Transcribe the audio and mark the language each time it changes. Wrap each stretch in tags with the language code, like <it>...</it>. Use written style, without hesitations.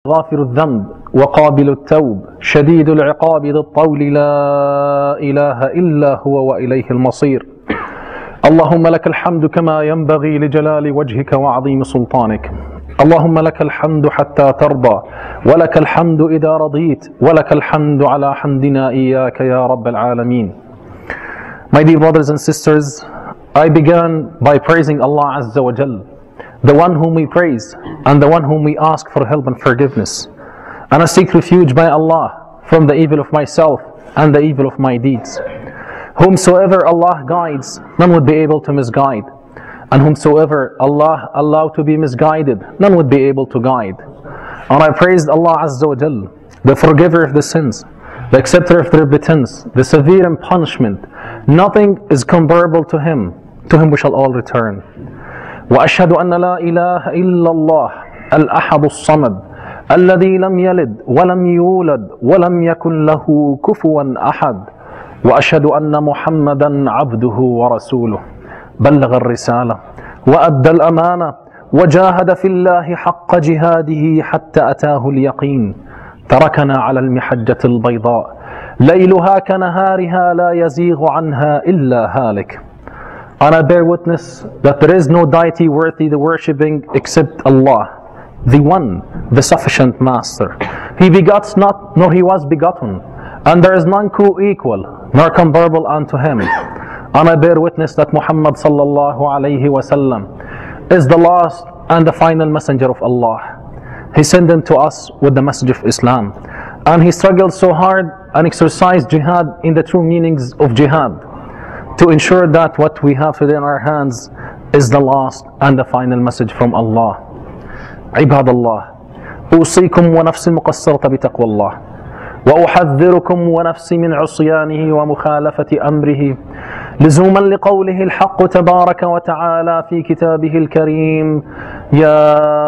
<ar>غافر الذنب وقابل التوب شديد العقاب ذو الطول لا إله إلا هو وإليه المصير. اللهم لك الحمد كما ينبغي لجلال وجهك وعظيم سلطانك. اللهم لك الحمد حتى ترضى، ولك الحمد إذا رضيت، ولك الحمد على حمدنا إياك يا رب العالمين.</ar> <en>My dear brothers and sisters, I began by praising Allah Azza wa Jal, the one whom we praise and the one whom we ask for help and forgiveness. And I seek refuge by Allah from the evil of myself and the evil of my deeds. Whomsoever Allah guides, none would be able to misguide. And whomsoever Allah allow to be misguided, none would be able to guide. And I praised Allah Azza wa Jal, the forgiver of the sins, the acceptor of the repentance, the severe in punishment. Nothing is comparable to Him. To Him we shall all return.</en> <ar>وأشهد أن لا إله إلا الله الأحد الصمد الذي لم يلد ولم يولد ولم يكن له كفوا أحد وأشهد أن محمدا عبده ورسوله بلغ الرسالة وأدى الأمانة وجاهد في الله حق جهاده حتى أتاه اليقين تركنا على المحجة البيضاء ليلها كنهارها لا يزيغ عنها إلا هالك.</ar> <en>And I bear witness that there is no deity worthy the worshipping except Allah, the One, the Sufficient Master. He begots not, nor He was begotten, and there is none co-equal, nor comparable unto Him. And I bear witness that Muhammad sallallahu alayhi wa sallam is the last and the final messenger of Allah. He sent him to us with the message of Islam. And he struggled so hard and exercised jihad in the true meanings of jihad. To ensure that what we have today in our hands is the last and the final message from Allah.</en> <ar>عباد الله أوصيكم ونفسي المقصرة بتقوى الله وأحذركم ونفسي من عصيانه ومخالفة أمره لزوما لقوله الحق تبارك وتعالى في كتابه الكريم يا</ar>